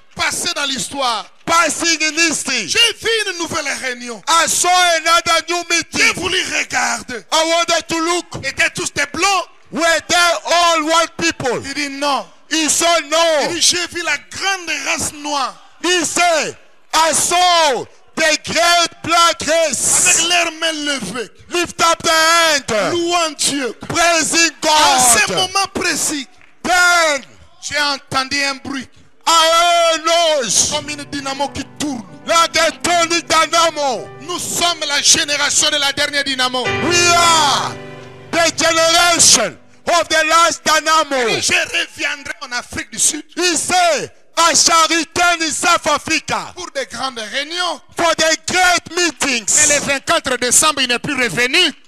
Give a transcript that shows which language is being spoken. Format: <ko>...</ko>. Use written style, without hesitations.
<fr>Passé dans l'histoire.</fr> <en>Passing in history.</en> <fr>J'ai vu une nouvelle réunion.</fr> <en>I saw another new meeting.</en> <fr>J'ai voulu regarder.</fr> <en>I wanted to look.</en> <fr>Étaient tous des blancs.</fr> <en>Were there all white people?</en> <fr>Il dit non.</fr> <en>He said no.</en> <fr>Il dit, j'ai vu la grande race noire.</fr> <en>He said, I saw the great black race.</en> <fr>Avec leurs mains levées.</fr> <en>Lift up the hand.</en> <fr>Louant Dieu.</fr> <en>Praising God.</en> <fr>À ce moment précis,</fr> <en>then,</en> <fr>j'ai entendu un bruit.</fr> <en>I heard noise.</en> <fr>Comme une dynamo qui tourne.</fr> <en>Like a turning dynamo.</en> <fr>Nous sommes la génération de la dernière dynamo.</fr> <en>We are the generation of the last dynamo.</en> <fr>Je reviendrai en Afrique du Sud.</fr> <en>He said, I shall return in South Africa.</en> <fr>Pour des grandes réunions.</fr> <en>For the great meetings.</en> <fr>Mais le 24 décembre, il n'est plus revenu.</fr>